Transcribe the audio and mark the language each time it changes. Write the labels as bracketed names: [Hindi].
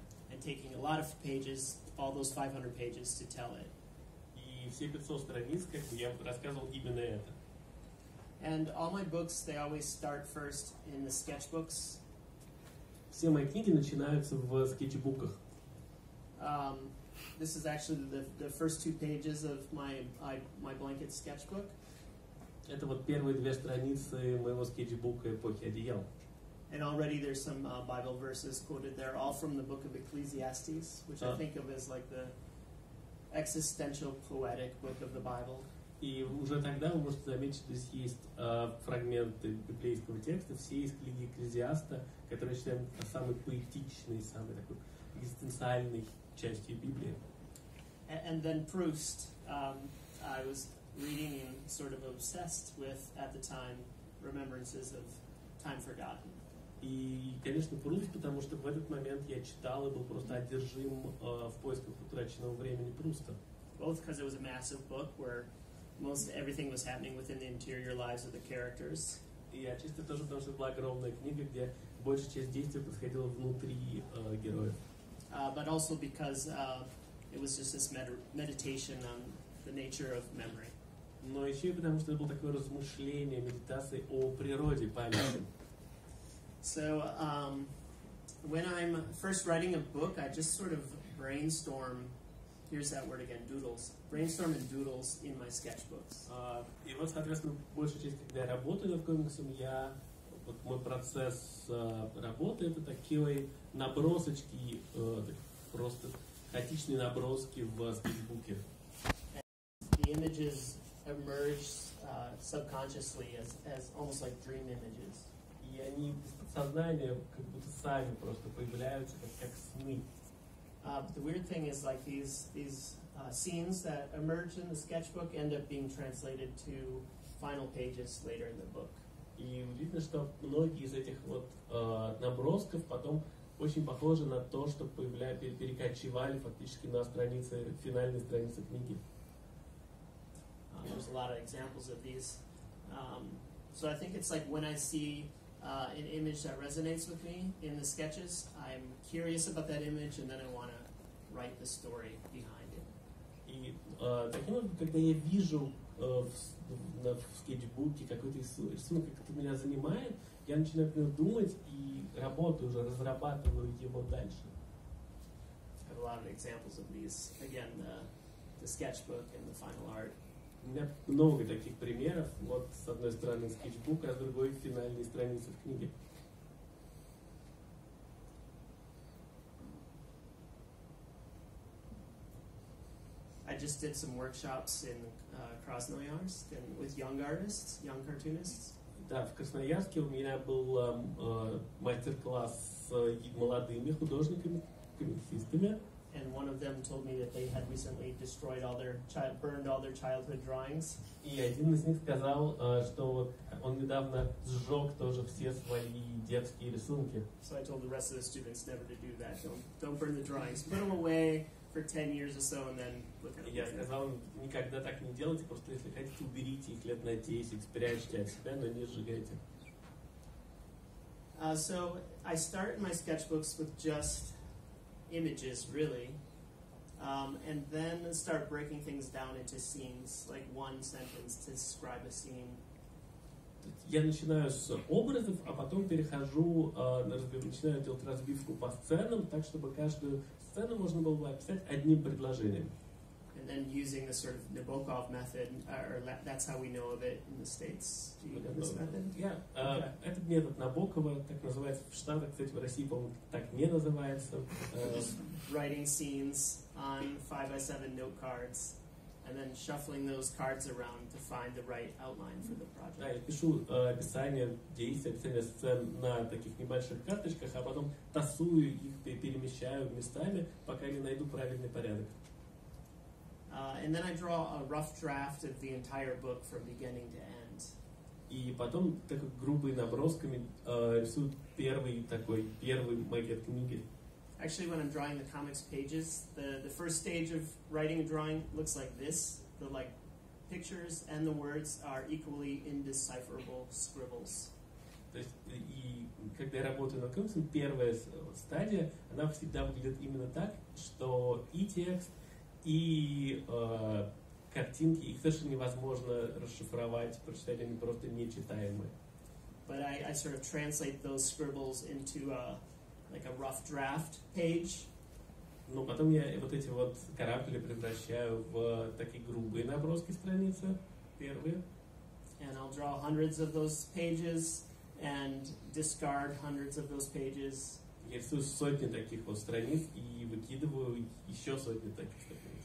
[English] And taking a lot of pages, all those 500 pages, to tell it. [Russian] И все 500 страниц, как бы, я рассказывал именно это. [English] And all my books, they always start first in the sketchbooks. [Russian] Все мои книги начинаются в скетчбуках. [English] This is actually the first two pages of my blanket sketchbook. [Russian] Это вот первые две страницы моего скетчбука эпохи Одеял. [English] And already there's some Bible verses quoted there, all from the book of Ecclesiastes, which I think of as like the existential poetic book of the Bible. [Russian] И уже тогда вы можете заметить, что здесь есть фрагменты библейского текста, все из книги Экклезиаста, которые считаем самой поэтичной, самой такой экзистенциальной частью Библии. [English] And then Proust, I was reading and sort of obsessed with at the time, remembrances of time forgotten. [Russian] И, конечно, Пруст, потому что в этот момент я читал и был просто одержим в поисках утраченного времени Пруста. [English] Both because it was a massive book where most everything was happening within the interior lives of the characters. [Russian] И отчасти тоже потому, что это была огромная книга, где большая часть действия происходила внутри героя. [English] But also because it was just this meditation on the nature of memory. [Russian] Но еще и потому, что это было такое размышление, медитация о природе памяти. [English] So, when I'm first writing a book, I just sort of brainstorm, here's that word again, doodles. Brainstorm and doodles in my sketchbooks. [Russian] И вот, соответственно, большую часть, когда я работаю над комиксом, я, вот мой процесс работы, это такие набросочки, просто хаотичные наброски в скетчбуке. [English] The images emerge subconsciously as almost like dream images. [Russian] И они сознание как будто сами просто появляются как сны. [English] The weird thing is like these scenes that emerge in the sketchbook end up being translated to final pages later in the book. [Russian] И удивительно, что многие из этих вот набросков потом очень похожи на то, что перекочевали фактически на страницы финальной страницы книги. [English] There's a lot of examples of these. So I think it's like when I see an image that resonates with me in the sketches, I'm curious about that image, and then I want to write the story behind it. [Russian] И таким образом, когда я вижу в скетчбуке какой-то рисунок, как это меня занимает, я начинаю о нем думать и работаю уже, разрабатываю его дальше. [English] I have a lot of examples of these. Again, the sketchbook and the final art. [Russian] У меня много таких примеров. Вот с одной стороны скетчбук, а с другой финальные страницы в книге. [English] I just did some workshops in Krasnoyarsk and with young artists, young cartoonists. [Russian] Да, в Красноярске у меня был мастер-класс с молодыми художниками, комиксистами. [English] And one of them told me that they had recently destroyed all their burned all their childhood drawings. [Russian] И один из них сказал, что он недавно сжег тоже все свои детские рисунки. [English] So I told the rest of the students never to do that. Don't burn the drawings. Put them away for 10 years or so, and then look at them. [Russian] Я сказал им никогда так не делайте. Просто если хотите, уберите их лет на 10, спрячьте от себя, но не сжигайте. [English] So I start my sketchbooks with just images, really, and then start breaking things down into scenes, like one sentence to describe a scene. [Russian] Я начинаю с образов, а потом перехожу, начинаю делать разбивку по сценам, так чтобы каждую сцену можно было бы описать одним предложением. [English] then using the sort of Nabokov method, or that's how we know of it in the States. Do you know this method? Writing scenes on 5x7 note cards, and then shuffling those cards around to find the right outline for the project. [Russian] Да, я пишу описание действий, описание сцен на таких небольших карточках, а потом тасую их, перемещаю местами, пока не найду правильный порядок. [English] And then I draw a rough draft of the entire book from beginning to end. [Russian] И потом так грубыми набросками рисую первый макет книги. [English] Actually, when I'm drawing the comics pages, the first stage of writing a drawing looks like this. The like pictures and the words are equally indecipherable scribbles. [Russian] То есть и когда я работаю над комиксом, первая стадия она всегда выглядит именно так, что и текст, и картинки, их совершенно невозможно расшифровать, прочитать, они просто нечитаемые. [English] But I sort of translate those scribbles into a like a rough draft page. [Russian] Но потом я вот эти вот карапели превращаю в такие грубые наброски страницы первые. [English] And I'll draw hundreds of those pages and discard hundreds of those pages. [Russian] Я рисую сотни таких вот страниц и выкидываю еще сотни таких страниц.